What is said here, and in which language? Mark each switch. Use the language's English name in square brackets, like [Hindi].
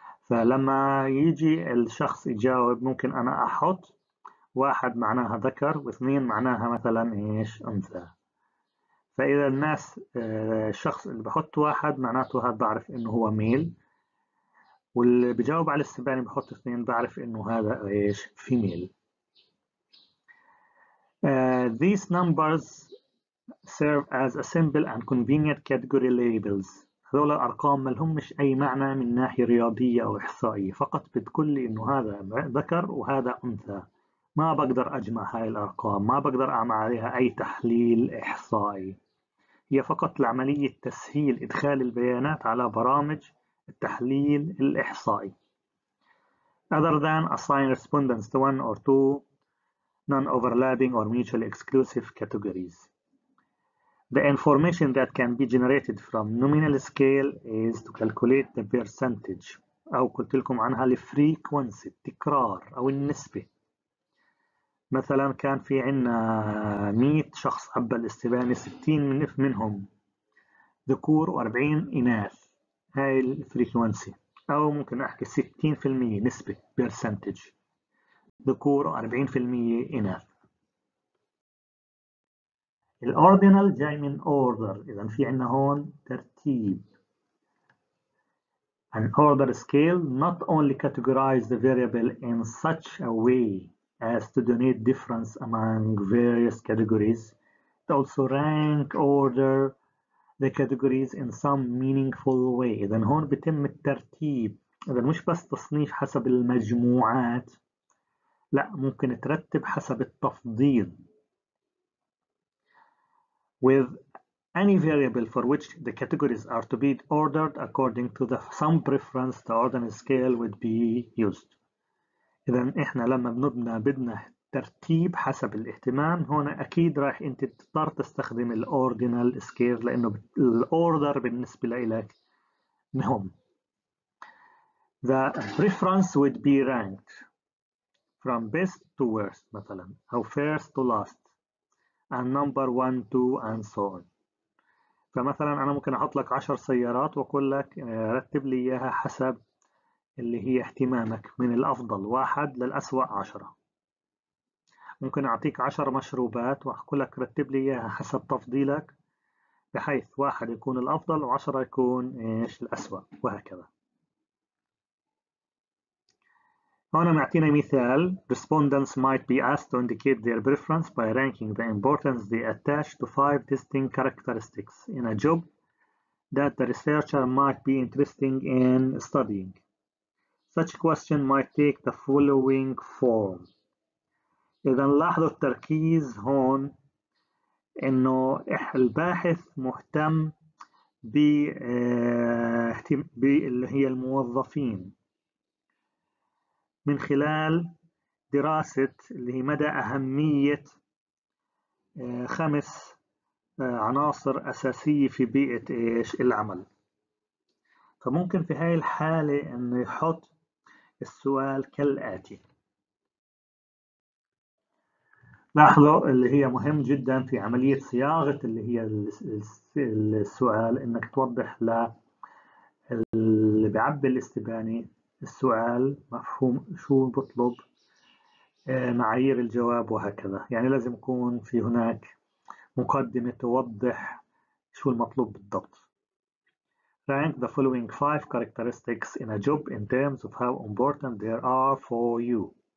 [Arabic] فلما يجي الشخص يجاوب ممكن انا احط واحد معناها ذكر واثنين معناها مثلا ايش انثى. فاذا الناس الشخص اللي بحط واحد معناته هذا بعرف انه هو ميل، واللي بجاوب على الاستبانة بحط اثنين بعرف انه هذا ايش فيميل. [English] These numbers serve as a simple and convenient category labels. [Arabic] هذول الأرقام ما لهمش أي معنى من ناحية رياضية أو إحصائية، فقط بتقول لي إنه هذا ذكر وهذا أنثى. ما بقدر أجمع هاي الأرقام، ما بقدر أعمل عليها أي تحليل إحصائي. هي فقط لعملية تسهيل إدخال البيانات على برامج التحليل الإحصائي. [English] Other than assign respondents to one or two non-overlapping or mutually exclusive categories. The information that can be generated from nominal scale is to calculate the percentage. [Arabic] أو قلت لكم عنها الـ frequency، التكرار أو النسبة. مثلا كان في عنا 100 شخص قبل الاستبانة، 60 منهم ذكور و 40 إناث. هاي الـ frequency. أو ممكن أحكي 60% نسبة percentage ذكور و 40% إناث. الأوردينال جاي من order، إذا في عنا هون ترتيب. [English] An order scale not only categorize the variable in such a way as to denote difference among various categories, it also rank order the categories in some meaningful way. [Arabic] إذا هون بتم الترتيب، إذا مش بس تصنيف حسب المجموعات، لا ممكن ترتب حسب التفضيل. [English] With any variable for which the categories are to be ordered according to the some preference, the ordinal scale would be used. [Arabic] إذا إحنا لما بدنا ترتيب حسب الاهتمام، هنا أكيد راح أنت تضطر تستخدم الأوردينال سكيل لأنه الأوردر بالنسبة لإلك مهم. [English] The preference would be ranked from best to worst [Arabic] مثلا، [English] أو first to last. And number one, two, and so on. [Arabic] فمثلا أنا ممكن أحط لك 10 سيارات وأقول لك رتب لي إياها حسب اللي هي اهتمامك، من الأفضل واحد للأسوأ 10. ممكن أعطيك 10 مشروبات وأقول لك رتب لي إياها حسب تفضيلك، بحيث واحد يكون الأفضل وعشرة يكون إيش الأسوأ وهكذا. هنا معطينا مثال. [English] Respondents might be asked to indicate their preference by ranking the importance they attach to five distinct characteristics in a job that the researcher might be interested in studying. Such question might take the following form. [Arabic] إذا لاحظوا التركيز هون إنه الباحث مهتم باللي هي الموظفين من خلال دراسة اللي هي مدى أهمية خمس عناصر أساسية في بيئة إيش العمل. فممكن في هاي الحالة إنه يحط السؤال كالآتي. لاحظوا اللي هي مهم جدا في عملية صياغة اللي هي السؤال، إنك توضح للي بيعبي الاستبانة السؤال مفهوم شو بطلب، معايير الجواب وهكذا. يعني لازم يكون في هناك مقدمة توضح شو المطلوب بالضبط. [English] Rank the following five characteristics in a job in terms of how important they are for you.